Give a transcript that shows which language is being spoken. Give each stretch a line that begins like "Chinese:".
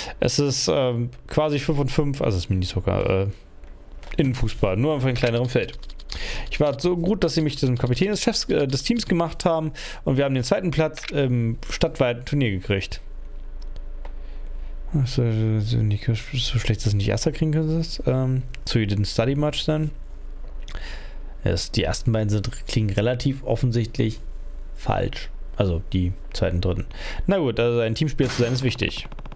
German: Es ist quasi 5 und 5, also das Minisoccer, Innenfußball, nur auf einem kleineren Feld. Ich war so gut, dass sie mich zum Kapitän des Chefs des Teams gemacht haben und wir haben den zweiten Platz im stadtweiten Turnier gekriegt. So schlecht, dass du nicht Erster kriegen könntest.
English: So you didn't study much then.
German: Die ersten beiden klingen relativ offensichtlich falsch. Also die zweiten, dritten. Na gut, also ein Teamspieler zu sein ist wichtig.